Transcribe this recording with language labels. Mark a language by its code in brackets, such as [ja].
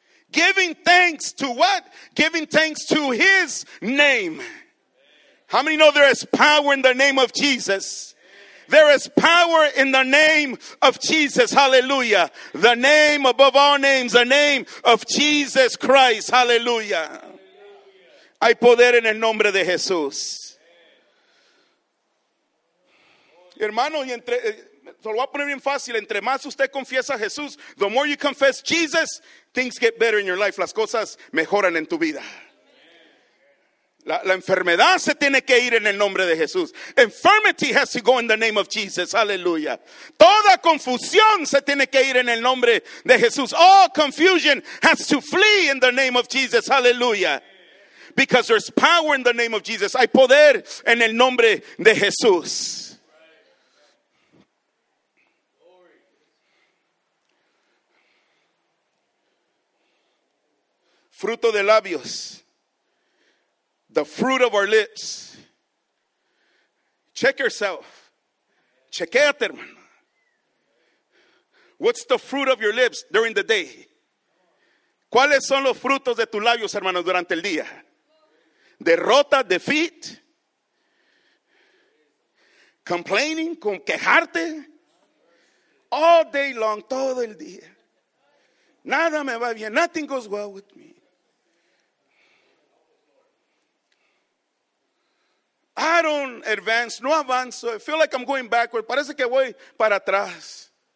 [en] Giving thanks to what? Giving thanks to his name. How many know there is power in the name of Jesus? There is power in the name of Jesus. Hallelujah. The name above all names. The name of Jesus Christ. Hallelujah. [es] Hay poder en el nombre de Jesús. Hermano, y entre, lo voy a poner bien fácil. Entre más usted confiesa a Jesús, [en] the more you confess Jesus, things get better in your life. [es] Las cosas mejoran en tu vida. La enfermedad se tiene que ir en el nombre de Jesús. [en] Infirmity has to go in the name of Jesus. Hallelujah. [es] Toda confusión se tiene que ir en el nombre de Jesús. [en] All confusion has to flee in the name of Jesus. Hallelujah. Because there's power in the name of Jesus. [es] Hay poder en el nombre de Jesús. Fruto de labios. [en] The fruit of our lips. Check yourself. [es] Chequéate, hermano. [en] What's the fruit of your lips during the day? [es] ¿Cuáles son los frutos de tus labios, hermano, durante el día? Derrota, [en] defeat. Complaining, [es] con quejarte. [en] All day long, [es] todo el día. Nada me va bien. [en] Nothing goes well with me. I don't advance, [es] no avanzo. [en] I feel like I'm going backward. [es] Parece que voy para atrás.